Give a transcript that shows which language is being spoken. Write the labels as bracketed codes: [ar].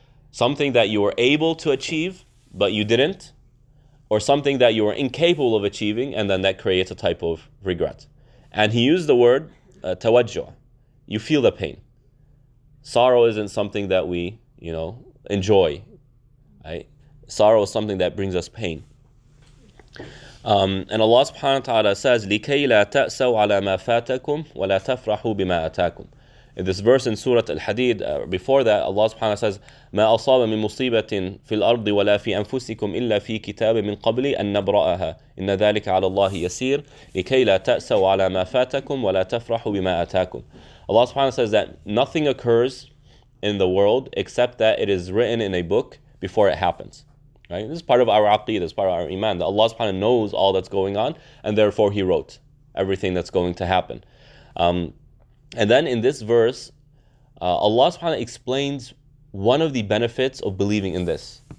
[en] Something that you were able to achieve, but you didn't, or something that you were incapable of achieving, and then that creates a type of regret. And he used the word tawajjuh. You feel the pain. Sorrow isn't something that we, you know, enjoy. Right? Sorrow is something that brings us pain. And Allah subhanahu wa ta'ala says, [ar] لِكَيْ لَا تَأْسَوْ عَلَى مَا فَاتَكُمْ وَلَا تَفْرَحُوا بِمَا أَتَاكُمْ. [en] In this verse in Surah Al-Hadid, before that, Allah subhanahu wa ta'ala says, [ar] مَا أَصَابَ مِن مُصِيبَةٍ فِي الْأَرْضِ وَلَا فِي أَنفُسِكُمْ إِلَّا فِي كِتَابٍ مِن قَبْلِ أَن نَبْرَأَهَا إِنَّ ذَلِكَ عَلَى اللَّهِ يَسِيرٌ لِكَيْ لَا تَأْسَوْ عَلَى مَا فَاتَكُمْ وَلَا تَفْرَحُوا بِمَا أَتَاكُمْ. [en] Allah subhanahu wa ta'ala says that nothing occurs in the world except that it is written in a book before it happens. Right? This is part of our aqidah, this is part of our iman, that Allah subhanahu wa ta'ala knows all that's going on, and therefore He wrote everything that's going to happen. And then in this verse, Allah subhanahu wa ta'ala explains one of the benefits of believing in this.